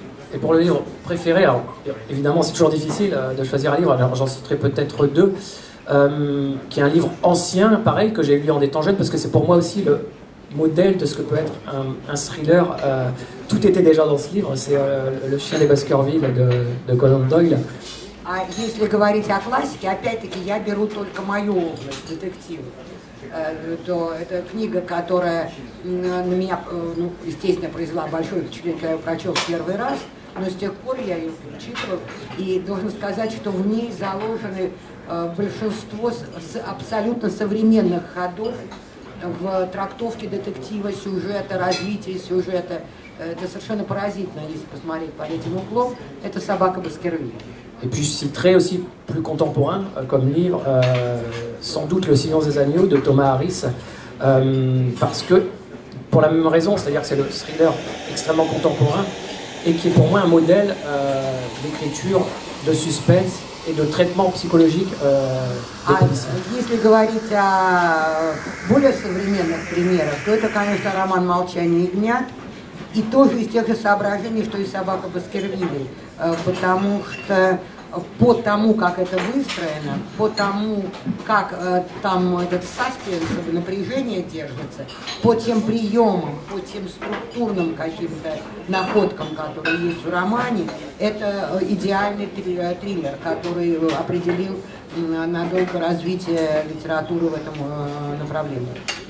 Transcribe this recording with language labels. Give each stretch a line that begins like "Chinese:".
French: Et pour le livre préféré, alors, évidemment c'est toujours difficile de choisir un livre, alors j'en citerai peut-être deux, qui est un livre ancien, pareil, que j'ai lu en étant jeune, parce que c'est pour moi aussi le modèle de ce que peut être un thriller. Tout était déjà dans ce livre, c'est Le chien des Baskerville de Conan Doyle.
Russian: А если говорить о классике, опять-таки я беру только мою область, детектив. То это книга, которая на меня, ну, естественно, произвела большое впечатление, когда я ее прочел в первый раз, но с тех пор я ее перечитывал, и должен сказать, что в ней заложены большинство абсолютно современных ходов в трактовке детектива, сюжета, развитии сюжета. Это совершенно поразительно, если посмотреть под этим углом. Это «Собака Баскервилля».
French: Et puis je citerai aussi plus contemporain comme livre, sans doute Le Silence des Agneaux de Thomas Harris, parce que pour la même raison, c'est-à-dire que c'est le thriller extrêmement contemporain et qui est pour moi un modèle d'écriture, de suspense et de traitement psychologique des policiers.
Russian: Если говорить о более современных примерах, то это, конечно, роман «Молчание ягнят». И тоже из тех же соображений, что и «Собака Баскервилей». Потому что по тому, как это выстроено, по тому, как там этот саспенс, напряжение держится, по тем приемам, по тем структурным каким-то находкам, которые есть в романе, это идеальный триллер, который определил надолго развитие литературы в этом направлении.